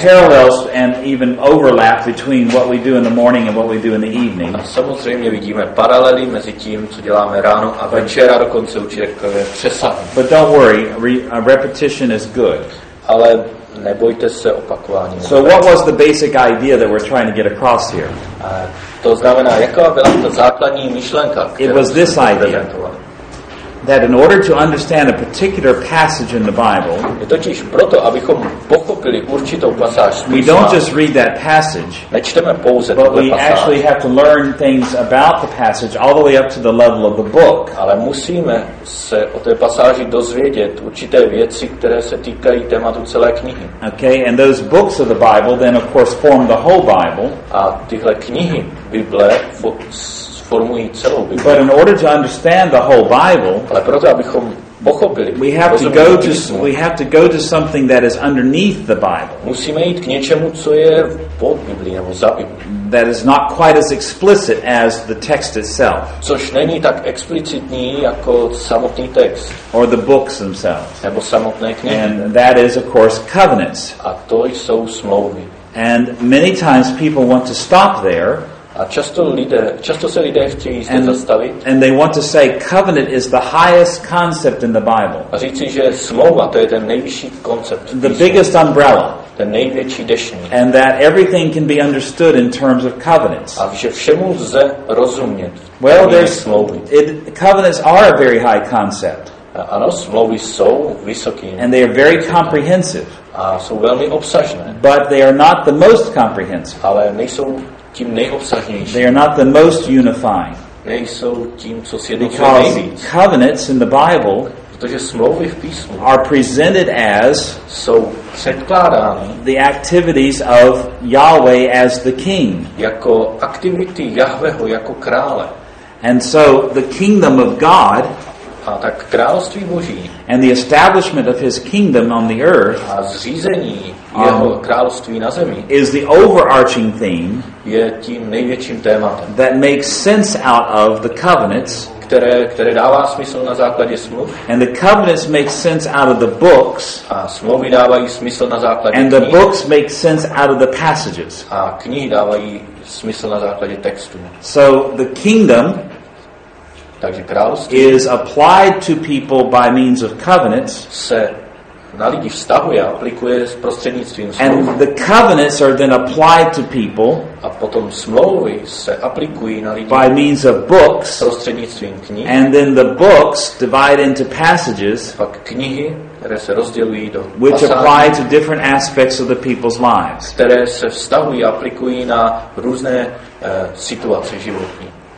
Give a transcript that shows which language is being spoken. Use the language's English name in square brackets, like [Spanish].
[English] See parallels and even overlap between what we do in the morning and what we do in the evening. [Czech] A samozřejmě vidíme paralely mezi tím, co děláme ráno a večer a dokonce určitě přesah. [English] But don't worry, repetition is good. [Czech] Ale nebojte se opakování. [English] So what was the basic idea that we're trying to get across here? [Czech] To znamená, jaká byla ta základní myšlenka? [English] It was this idea that in order to understand a particular passage in the Bible, [Czech] je totiž proto, abychom pochopili určitou pasáž. [English] We don't just read that passage, [Czech] nečteme pouze [English] but we actually have to learn things about the passage all the way up to the level of the book. [Czech] Ale musíme se o té pasáži dozvědět určité věci, které se týkají tématu celé knihy. [English] Okay, and those books of the Bible then of course form the whole Bible. [Czech] A tyhle knihy Bible formují celou Bibli. [English] But in order to understand the whole Bible, [Czech] ale proto abychom pochopili, [English] we have to go to something that is underneath the Bible. [Czech] Musíme jít k něčemu, co je pod Biblí nebo za Biblí. [English] That is not quite as explicit as the text itself. [Czech] Což není tak explicitní jako samotný text. [English] Or the books themselves. [Czech] Nebo samotné knihy. [English] And that is, of course, covenants. [Czech] A to jsou smlouvy. [English] And many times people want to stop there. [Czech] A často se lidé chtějí zde zastavit. [English] And they want to say covenant is the highest concept in the Bible. [Czech] A říci, že smlouva to je ten nejvyšší koncept. [English] The biggest umbrella. [Czech] Ten největší dešník. [English] And that everything can be understood in terms of covenants. [Czech] A že všemu lze rozumět. [English] Well, covenants are a very high concept. [Czech] Ano, smlouvy jsou vysoký. [English] And they are very comprehensive. [Czech] A jsou velmi obsažné. [English] But they are not the most comprehensive. [Czech] Ale nejsou tím nejobsažnější. [English] They are not the most unifying. [Czech] Nejsou tím, co sjednocuje nejvíc. [English] Because covenants in the Bible, [Czech] protože smlouvy v písmu, [English] are presented as [Czech] jsou předkládány [English] the activities of Yahweh as the king. [Czech] Jako aktivity Jahveho jako krále. [English] And so the kingdom of God, [Czech] a tak království Boží, [English] and the establishment of his kingdom on the earth, [Czech] a zřízení jeho království na zemi, [English] is the overarching theme, [Czech] je tím největším tématem, [English] that makes sense out of the covenants, [Czech] které dává smysl na základě smluv, [English] and the covenants make sense out of the books, [Czech] a smlouvy dávají smysl na základě knih, [English] and the books make sense out of the passages, [Czech] a knihy dávají smysl na základě textu. [English] So the kingdom, [Czech] takže království, [English] is applied to people by means of covenants, [Czech] se na lidi vztahuje a aplikuje prostřednictvím smlouv. [English] And the covenants are then applied to people, [Czech] a potom smlouvy se aplikují na lidi [English] by means of books, [Czech] prostřednictvím knih, [English] and then the books divide into passages, [Czech] pak knihy, které se rozdělují do pasáží, [English] which apply to different aspects of the people's lives, [Czech] které se vztahují a aplikují na různé situace životní.